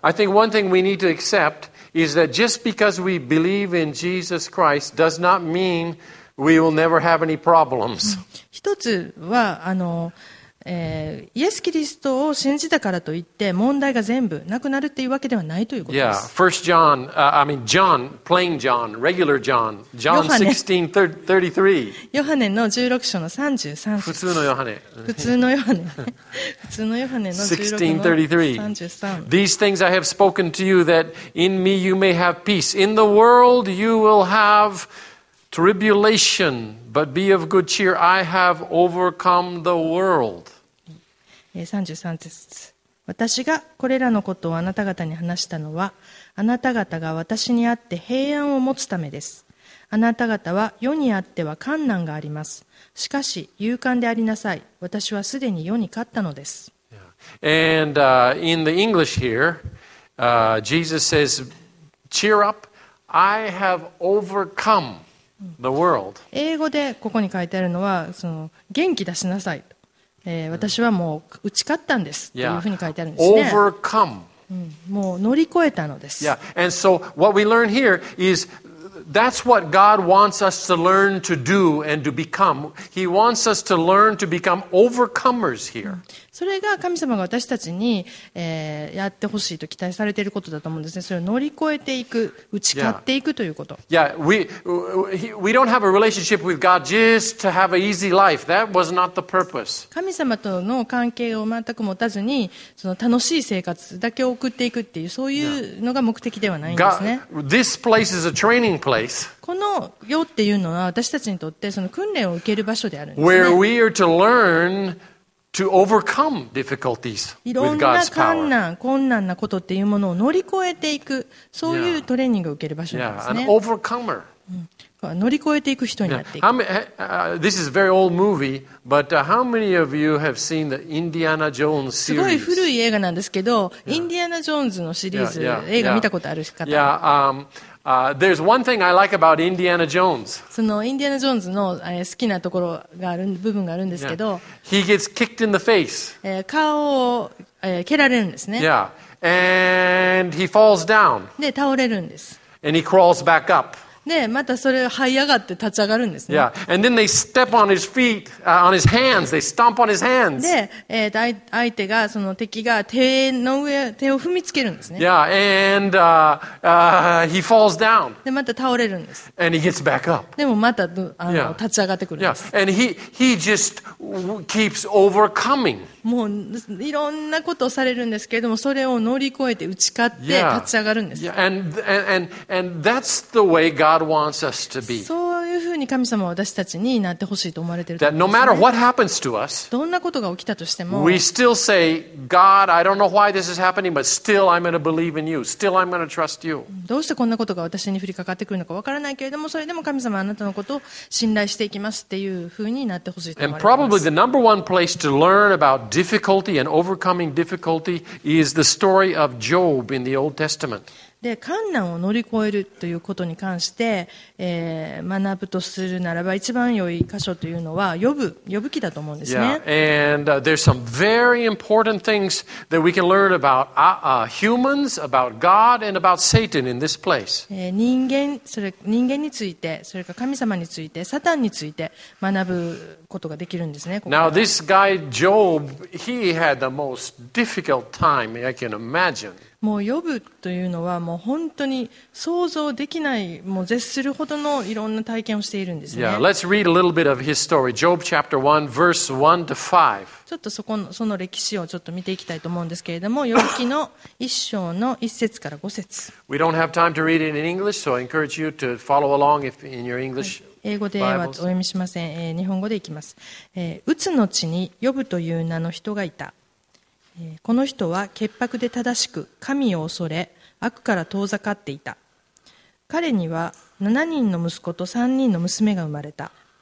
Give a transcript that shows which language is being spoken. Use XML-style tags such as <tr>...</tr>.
<en>I think one thing we need to accept is that just because we believe in Jesus Christ does not mean we will never have any problems.</en> <ja>一つは、イエス・キリストを信じたからといって問題が全部なくなるっていうわけではないということです。</ja> <en>Yeah, First John, John, plain John, regular John, John 16:33.</en> <ja>ヨハネの16章の33節。普通のヨハネ。普通のヨハネ。普通のヨハネの16章の33。</ja> <en>These things I have spoken to you that in me you may have peace. In the world you will have tribulation, but be of good cheer. I have overcome the world.</en> <ja>33節。私がこれらのことをあなた方に話したのは、あなた方が私にあって平安を持つためです。あなた方は世にあっては困難があります。しかし勇敢でありなさい。私はすでに世に勝ったのです。</ja> <en>And, in the English here, Jesus says, cheer up. I have overcome. The world.</en> <ja>英語でここに書いてあるのはその元気出しなさいと、私はもう打ち勝ったんですというふうに書いてあるんですね。</ja> <en>Overcome.</en> <ja>もう乗り越えたのです。</ja> <en>Yeah. And so what we learn here is that's what God wants us to learn to do and to become. He wants us to learn to become overcomers here.</en> <ja>それが神様が私たちに、やってほしいと期待されていることだと思うんですね。それを乗り越えていく、打ち勝っていくということ。</ja> <en>Yeah. Yeah. We don't have a relationship with God just to have an easy life. That was not the purpose.</en> <ja>神様との関係を全く持たずに、その楽しい生活だけを送っていくっていう、そういうのが目的ではないんですね。</ja> <en>God, this place is a training place.</en> <ja>この世っていうのは私たちにとってその訓練を受ける場所であるんですね。</ja> <en>Where we are to learn to overcome difficulties with God's power.</en> <ja>いろんな困難、困難なことっていうものを乗り越えていく、そういうトレーニングを受ける場所なんですね。</ja> <en>Yeah, an overcomer.</en> <ja>乗り越えていく人になっていく。</ja> <en>This is a very old movie, but how many of you have seen the Indiana Jones series?</en> <ja>すごい古い映画なんですけど、インディアナ・ジョーンズのシリーズ、映画見たことある方。</ja> <en>There's one thing I like about Indiana Jones.</en> <ja>そのインディアナ・ジョーンズの好きなところがある部分があるんですけど、</ja> <en>He gets kicked in the face.</en> <ja>顔を蹴られるんですね。</ja> <en>Yeah. And he falls down.</en> <ja>で、倒れるんです。</ja> <en>And he crawls back up.</en> <ja>で、またそれを這い上がって立ち上がるんですね。</ja> <en>Yeah. And then they step on his feet, on his hands. They stomp on his hands.</en> <ja>で、相手が、その敵が手の上、手を踏みつけるんですね。</ja> <en>Yeah. And, he falls down.</en> <ja>で、また倒れるんです。</ja> <en>And he gets back up.</en> <ja>でもまた、立ち上がってくるんです。</ja> <en>Yeah. And he just keeps overcoming.</en> <ja>もういろんなことをされるんですけれども、それを乗り越えて打ち勝って立ち上がるんです。</ja> <en>Yeah. And that's the way God wants us to be.</en> <ja>そういうふうに神様は私たちになってほしいと思われていると思うんですね。</ja> <en>That no matter what happens to us,</en> <ja>どんなことが起きたとしても、</ja> <en>we still say, God, I don't know why this is happening, but still I'm going to believe in you. Still I'm going to trust you.</en> <ja>どうしてこんなことが私に降りかかってくるのかわからないけれども、それでも神様はあなたのことを信頼していきますっていうふうになってほしいと思われます。</ja> <en>And probably the number one place to learn aboutDifficulty and overcoming difficulty is the story of Job in the Old Testament.</en> <ja>で、困難を乗り越えるということに関して、学ぶとするならば、一番良い箇所というのは、ヨブ記だと思うんですね。</ja> <en>Yeah. And there's some very important things that we can learn about humans, about God, and about Satan in this place.</en> <ja>人間について、それから神様について、サタンについて学ぶ。ことができるんですね、ここ</ja> <en>Now this guy Job, he had the most difficult time I can imagine.</en> <ja>もうヨブというのはもう本当に想像できない、もう絶するほどのいろんな体験をしているんですね。</ja> <en>Yeah, let's read a little bit of his story. Job chapter 1, verse 1 to 5.</en> <ja>ちょっとそこのその歴史をちょっと見ていきたいと思うんですけれども、ヨブ記の一章の一節から五節。</ja> <en>We don't have time to read it in English, so I encourage you to follow along if in your English.</en> <ja>英語ではお読みしません。日本語でいきます。うつの地にヨブという名の人がいた。この人は潔白で正しく、神を恐れ、悪から遠ざかっていた。彼には7人の息子と3人の娘が生まれた。</ja>